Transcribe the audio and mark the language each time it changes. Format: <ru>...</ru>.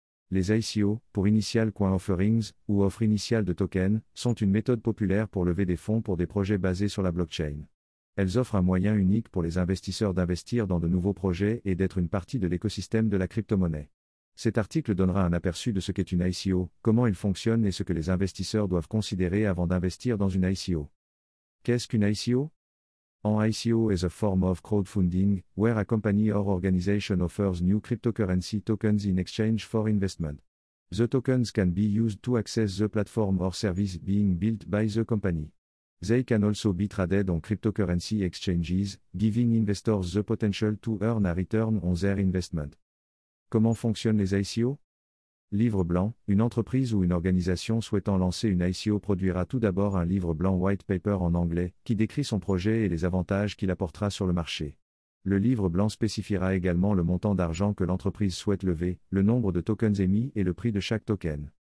<fr>Les ICO, pour Initial Coin Offerings, ou offre initiale de tokens, sont une méthode populaire pour lever des fonds pour des projets basés sur la blockchain. Elles offrent un moyen unique pour les investisseurs d'investir dans de nouveaux projets et d'être une partie de l'écosystème de la crypto-monnaie. Cet article donnera un aperçu de ce qu'est une ICO, comment elle fonctionne et ce que les investisseurs doivent considérer avant d'investir dans une ICO. Qu'est-ce qu'une ICO?</fr> <en>An ICO is a form of crowdfunding, where a company or organization offers new cryptocurrency tokens in exchange for investment. The tokens can be used to access the platform or service being built by the company. They can also be traded on cryptocurrency exchanges, giving investors the potential to earn a return on their investment.</en> <fr>Comment fonctionnent les ICO? Livre blanc, une entreprise ou une organisation souhaitant lancer une ICO produira tout d'abord un livre blanc white paper en anglais, qui décrit son projet et les avantages qu'il apportera sur le marché. Le livre blanc spécifiera également le montant d'argent que l'entreprise souhaite lever, le nombre de tokens émis et le prix de chaque token.</fr>